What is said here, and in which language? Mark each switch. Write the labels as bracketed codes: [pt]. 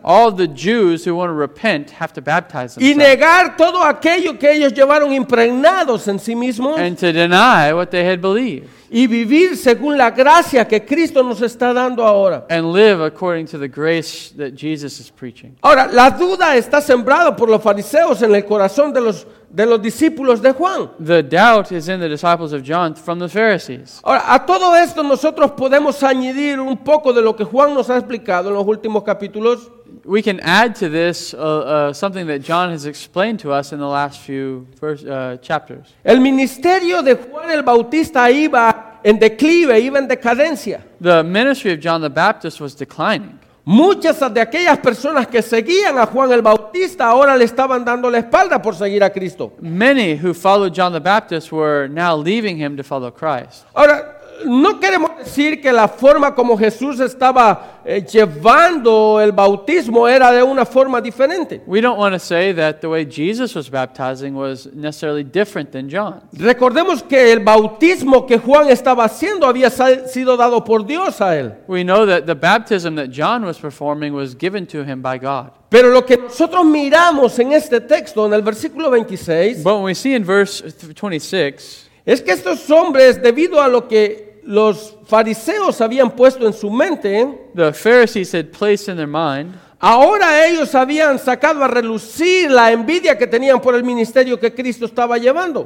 [en] All the Jews who want to repent have to baptize themselves. [es] Y negar todo aquello que ellos llevaron impregnados en sí mismos. [en] And to deny what they had believed. [es] Y vivir según la gracia que Cristo nos está dando ahora. [en] And live according to the grace that Jesus is preaching. [es] Ahora, la duda está sembrada por los fariseos en el corazón de los discípulos de Juan. [en] The doubt is in the disciples of John from the Pharisees. [es] Ahora, a todo esto nosotros podemos añadir un poco de lo que Juan nos ha explicado en los últimos capítulos. [en] we can add to this something that John has explained to us in the last few first, chapters. [es] El ministerio de Juan el Bautista iba en declive, iba en decadencia. [en] The ministry of John the Baptist was declining. [es] Muchas de aquellas personas que seguían a Juan el Bautista ahora le estaban dando la espalda por seguir a Cristo. [en] Many who followed John the Baptist were now leaving him to follow Christ. [es] Ahora, no queremos decir que la forma como Jesús estaba llevando el bautismo era de una forma diferente. [en] We don't want to say that the way Jesus was baptizing was necessarily different than John. [es] Recordemos que el bautismo que Juan estaba haciendo había sido dado por Dios a él. [en] We know that the baptism that John was performing was given to him by God. [es] Pero lo que nosotros miramos en este texto, en el versículo 26, [en] but when we see in verse 26, [es] es que estos hombres, debido a lo que los fariseos habían puesto en su mente, [en] the Pharisees had placed in their mind, [es] ahora ellos habían sacado a relucir la envidia que tenían por el ministerio que Cristo estaba llevando.